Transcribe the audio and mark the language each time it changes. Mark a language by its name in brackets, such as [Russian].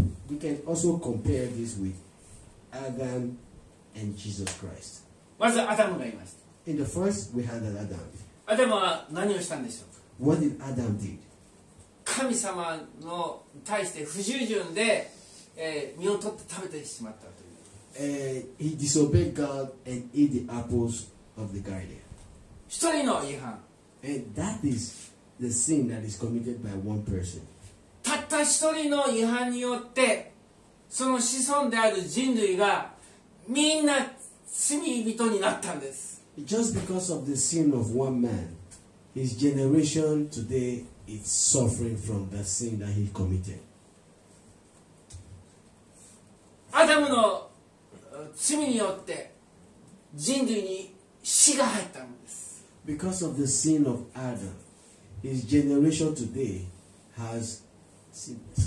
[English] We can also compare this with Adam and Jesus Christ. [Japanese] まずアダムがいました。 [English] In the first, we had an Adam. [Japanese] アダムは何をしたんでしょう。 [English] What did Adam did? [Japanese] 神様に対して不従順で、身を取って食べてしまったという。 [English] He disobeyed God and ate the apples of the garden. [Japanese] 一人の違反。 [English] And that is the sin that is committed by one person. [Japanese] たった一人の違反によって、その子孫である人類がみんな罪人になったんです。 [English] Just because of the sin of one man, his generation today is suffering from the sin that he committed. [Japanese] アダムの罪によって人類に死が入ったんです。 [English] Because of the sin of Adam, his generation today has sin.